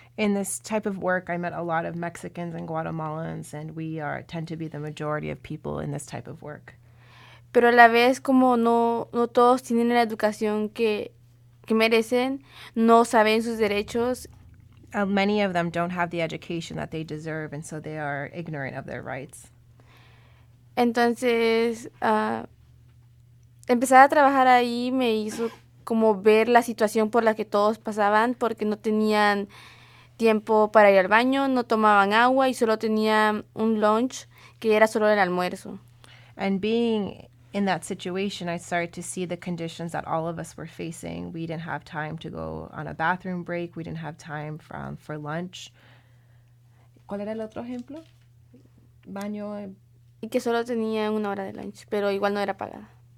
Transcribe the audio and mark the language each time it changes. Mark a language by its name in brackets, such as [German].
[English] In this type of work, I met a lot of Mexicans and Guatemalans, and tend to be the majority of people in this type of work. [Spanish] Pero a la vez, como no todos tienen la educación que merecen, no saben sus derechos. [English] Many of them don't have the education that they deserve, and so they are ignorant of their rights. [Spanish] Entonces, empezar a trabajar ahí me hizo como ver la situación por la que todos pasaban, porque no tenían tiempo para ir al baño, no tomaban agua y solo tenían un lunch que era solo el almuerzo. [English] And being in that situation, I started to see the conditions that all of us were facing. We didn't have time to go on a bathroom break. We didn't have time for lunch. [Spanish] ¿Cuál era el otro ejemplo? Baño. Y que solo tenía una hora de lunch, pero igual no era pagada.